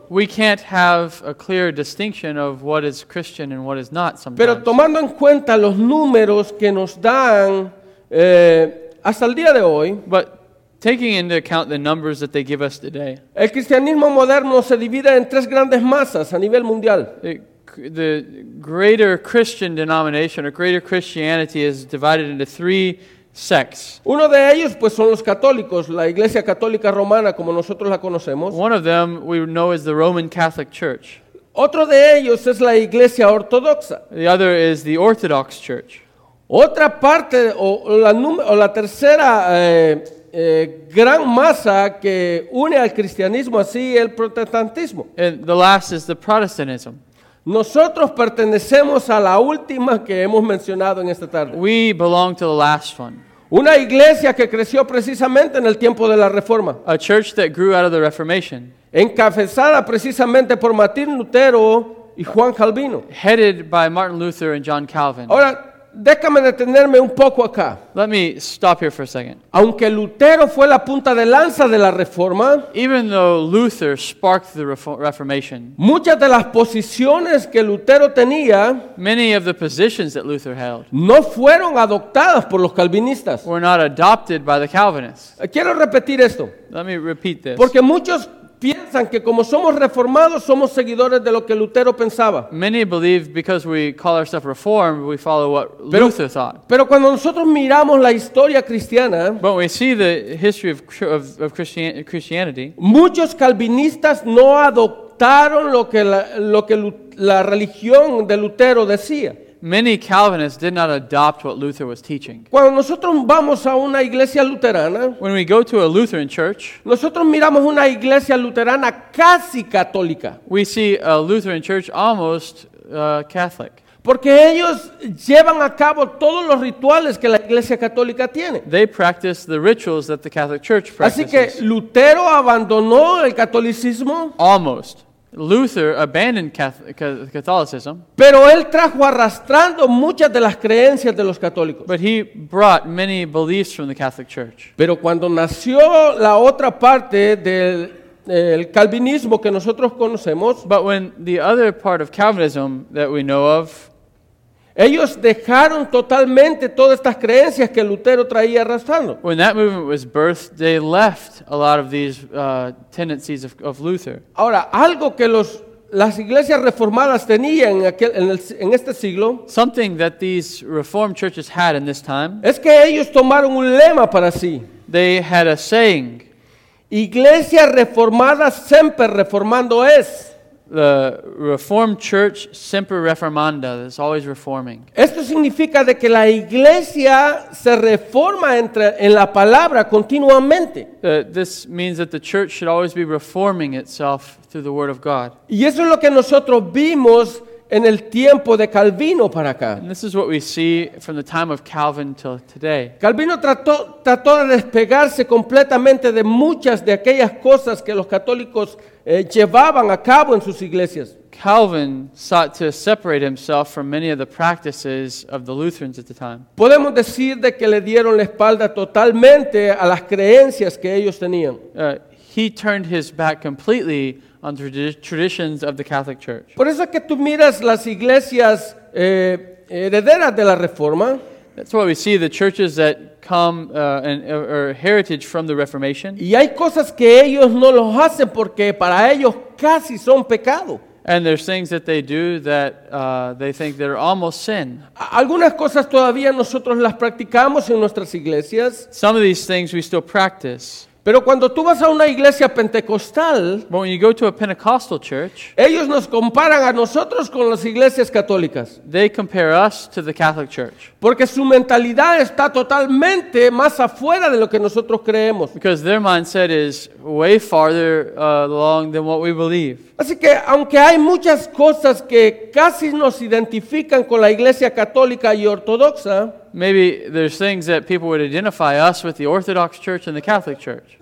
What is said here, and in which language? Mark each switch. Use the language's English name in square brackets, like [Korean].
[English] We can't have a clear distinction of what is Christian and what is not sometimes. [Spanish] Pero tomando en cuenta los números que nos dan hasta el día de hoy, [English] but taking into account the numbers that they give us today, [Spanish] el cristianismo moderno se divide en tres grandes masas a nivel mundial. [English] The greater Christian denomination or greater Christianity is divided into three sects. [Spanish] Uno de ellos, pues, son los católicos, la Iglesia Católica Romana, como nosotros la conocemos. [English] One of them we know is the Roman Catholic Church. [Spanish] Otro de ellos es la Iglesia Ortodoxa. [English] The other is the Orthodox Church. [Spanish] Otra parte, o la tercera gran masa que une al cristianismo así el protestantismo. [English] And the last is the Protestantism. [Spanish] Nosotros pertenecemos a la última que hemos mencionado en esta tarde. [English] We belong to the last one. [Spanish] Una iglesia que creció precisamente en el tiempo de la Reforma. [English] A church that grew out of the Reformation. [Spanish] Encabezada precisamente por Martín Lutero y Juan Calvino. [English] Headed by Martin Luther and John Calvin. [Spanish] Ahora, déjame detenerme un poco acá. [English] Let me stop here for a second. [Spanish] Aunque Lutero fue la punta de lanza de la Reforma, [English] even though Luther sparked the Reformation, [Spanish] muchas de las posiciones que Lutero tenía, [English] many of the positions that Luther held, [Spanish] no fueron adoptadas por los calvinistas. [English] Were not adopted by the Calvinists. [Spanish] Quiero repetir esto. [English] Let me repeat this. [Spanish] Porque muchos piensan que como somos reformados somos seguidores de lo que Lutero pensaba. [English] Many believe because we call ourselves reformed we follow what Luther thought. [Spanish] Pero cuando nosotros miramos la historia cristiana, [English] but we see the history of Christianity, [Spanish] muchos calvinistas no adoptaron lo que la religión de Lutero decía. [English] Many Calvinists did not adopt what Luther was teaching. [Spanish] Cuando nosotros vamos a una iglesia luterana, [English] when we go to a Lutheran church, [Spanish] nosotros miramos una iglesia luterana casi católica. [English] We see a Lutheran church almost Catholic. [Spanish] Porque ellos llevan a cabo todos los rituales que la iglesia católica tiene. [English] They practice the rituals that the Catholic Church practices. [Spanish] Así que Lutero abandonó el catolicismo. [English] Almost. Luther abandoned Catholicism. [Spanish] Pero él trajo arrastrando muchas de las creencias de los católicos. [English] But he brought many beliefs from the Catholic Church. [Spanish] Pero cuando nació la otra parte del calvinismo que nosotros conocemos, [English] but when the other part of Calvinism that we know of, [Spanish] ellos dejaron totalmente todas estas creencias que Lutero traía arrastrando. [English] When that movement was birthed, they left a lot of these tendencies of Luther. [Spanish] Ahora, algo que las iglesias reformadas tenían en este siglo, [English] something that these reformed churches had in this time, [Spanish] es que ellos tomaron un lema para sí. [English] They had a saying. [Spanish] Iglesia reformada siempre reformando es. [English] The Reformed Church semper reformanda, that's always reforming. [Spanish] Esto significa de que la iglesia se reforma en la palabra continuamente. [English] This means that the church should always be reforming itself through the word of God. [Spanish] Y eso es lo que nosotros vimos en el tiempo de Calvino para acá. [English] And this is what we see from the time of Calvin till today. [Spanish] Calvino trató de despegarse completamente de muchas de aquellas cosas que los católicos llevaban a cabo en sus iglesias. [English] Calvin sought to separate himself from many of the practices of the Lutherans at the time. [Spanish] Podemos decir de que le dieron la espalda totalmente a las creencias que ellos tenían. [English] He turned his back completely on the traditions of the Catholic Church. [Spanish] Por eso es que tú miras las iglesias herederas de la Reforma. [English] That's why we see the churches that come or heritage from the Reformation. [Spanish] Y hay cosas que ellos no los hacen porque para ellos casi son pecado. [English] And there's things that they do that they think they're almost sin. [Spanish] Algunas cosas todavía nosotros las practicamos en nuestras iglesias. [English] Some of these things we still practice. [Spanish] Pero cuando tú vas a una iglesia pentecostal, [English] but when you go to a Pentecostal church, [Spanish] ellos nos comparan a nosotros con las iglesias católicas. [English] They compare us to the Catholic Church. [Spanish] Porque su mentalidad está totalmente más afuera de lo que nosotros creemos. [English] Because their mindset is way farther along than what we believe. [Spanish] Así que aunque hay muchas cosas que casi nos identifican con la iglesia católica y ortodoxa, [English] maybe there's things that people would identify us with the Orthodox Church and the Catholic Church.